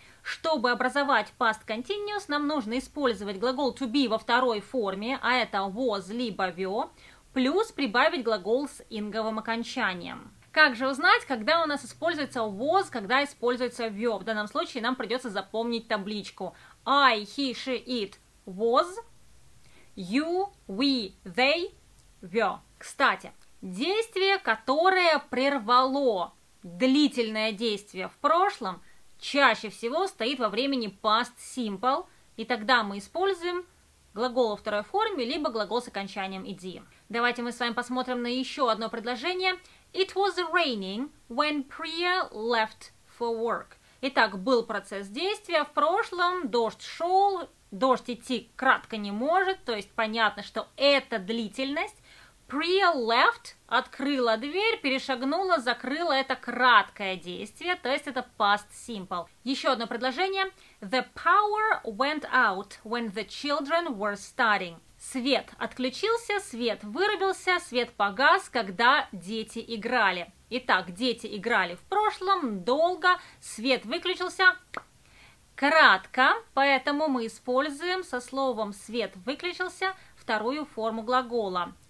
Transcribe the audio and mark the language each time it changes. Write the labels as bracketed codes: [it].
[ru] Чтобы образовать past continuous, нам нужно использовать глагол to be во второй форме, а это was либо were, плюс прибавить глагол с инговым окончанием. Как же узнать, когда у нас используется was, когда используется were? В данном случае нам придется запомнить табличку. [en] I, he, she, it was, you, we, they were. [ru] Кстати, действие, которое прервало длительное действие в прошлом, чаще всего стоит во времени past simple, и тогда мы используем глагол во второй форме, либо глагол с окончанием ed. Давайте мы с вами посмотрим на еще одно предложение. [en] It was raining when Priya left for work. [ru] Итак, был процесс действия в прошлом, дождь шел, дождь идти кратко не может, то есть понятно, что это длительность. Priya left, открыла дверь, перешагнула, закрыла, это краткое действие, то есть это past simple. Еще одно предложение. [en] The power went out when the children were studying. [ru] Свет отключился, свет вырубился, свет погас, когда дети играли. Итак, дети играли в прошлом, долго, свет выключился, кратко, поэтому мы используем со словом «свет выключился» вторую форму глагола.